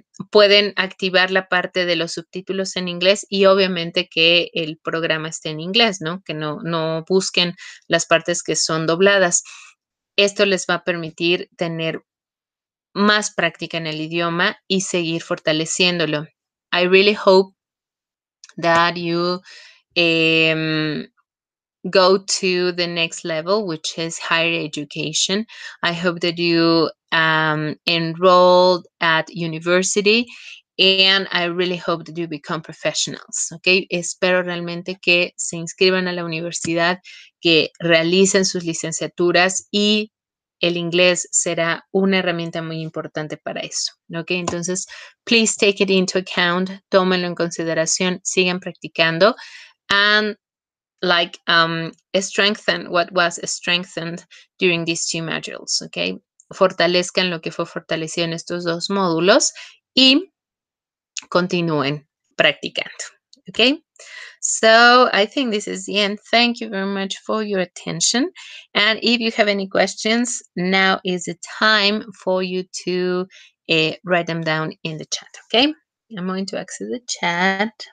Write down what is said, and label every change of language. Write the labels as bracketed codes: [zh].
[es] Pueden activar la parte de los subtítulos en inglés y obviamente que el programa esté en inglés, ¿no? Que no busquen las partes que son dobladas. Esto les va a permitir tener más práctica en el idioma y seguir fortaleciéndolo. [en] I really hope that you go to the next level, which is higher education. I hope that you enrolled at university, and I really hope that you become professionals. [es] Okay, espero realmente que se inscriban a la universidad, que realicen sus licenciaturas y el inglés será una herramienta muy importante para eso. [en] Okay, [es] entonces, [en] please take it into account, [es] tómenlo en consideración, sigan practicando, [en] and like strengthen what was strengthened during these two modules. [es] Okay, fortalezcan lo que fue fortalecido en estos dos módulos y continúen practicando. [en] Okay, so I think this is the end. Thank you very much for your attention. And if you have any questions, now is the time for you to write them down in the chat. Okay, I'm going to access the chat.